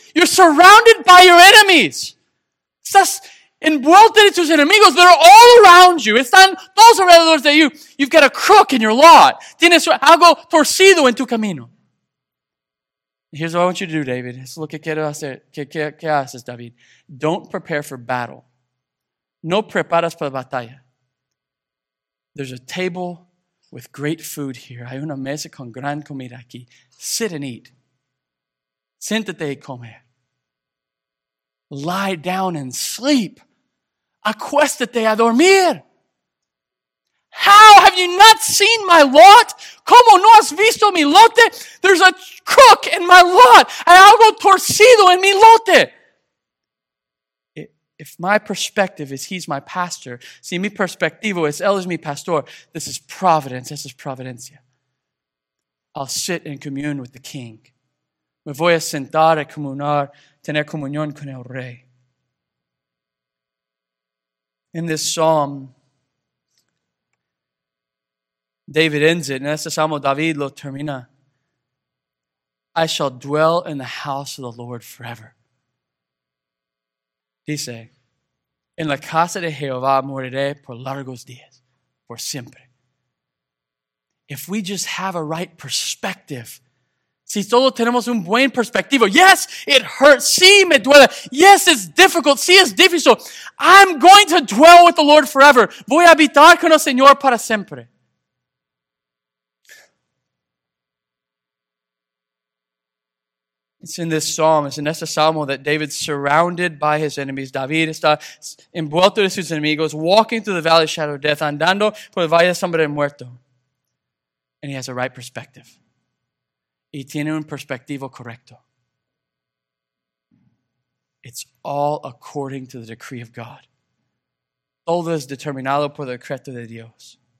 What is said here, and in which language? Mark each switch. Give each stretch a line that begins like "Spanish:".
English: You're surrounded by your enemies.
Spanish: Estás envuelto de tus enemigos.
English: They're all around you.
Spanish: Están todos alrededor de
English: you. You've got a crook in your lot.
Spanish: Tienes algo torcido en tu camino.
English: Here's what I want you to do, David.
Spanish: Es lo que quiero hacer. ¿Qué haces, David?
English: Don't prepare for battle.
Spanish: No preparas para batalla.
English: There's a table with great food here.
Spanish: Hay una mesa con gran comida aquí.
English: Sit and eat.
Spanish: Siéntate y come.
English: Lie down and sleep.
Spanish: Acuéstate a dormir.
English: How have you not seen my lot?
Spanish: ¿Cómo no has visto mi lote?
English: There's a crook in my lot.
Spanish: Hay algo torcido en mi lote.
English: If my perspective is he's my pastor,
Spanish: si mi perspectivo es él es mi pastor,
English: this is providence, this is
Spanish: providencia.
English: I'll sit and commune with the king.
Spanish: Me voy a sentar y comunar, tener comunión con el rey.
English: In this psalm, David ends it.
Spanish: En este salmo, David lo termina.
English: I shall dwell in the house of the Lord forever.
Spanish: Dice, en la casa de Jehová moriré por largos días, por siempre.
English: If we just have a right perspective,
Spanish: si solo tenemos un buen perspectivo,
English: yes, it hurts,
Spanish: sí, me duele,
English: yes, it's difficult,
Spanish: sí, es difícil,
English: I'm going to dwell with the Lord forever.
Spanish: Voy a habitar con el Señor para siempre.
English: It's in this psalm, it's in
Spanish: este salmo,
English: that David's surrounded by his enemies.
Spanish: David está envuelto de sus enemigos,
English: walking through the valley of shadow of death,
Spanish: andando por el valle de sombra de muerto.
English: And he has a right perspective.
Spanish: Y tiene un perspectivo correcto.
English: It's all according to the decree of God.
Spanish: Todo es determinado por el decreto de Dios.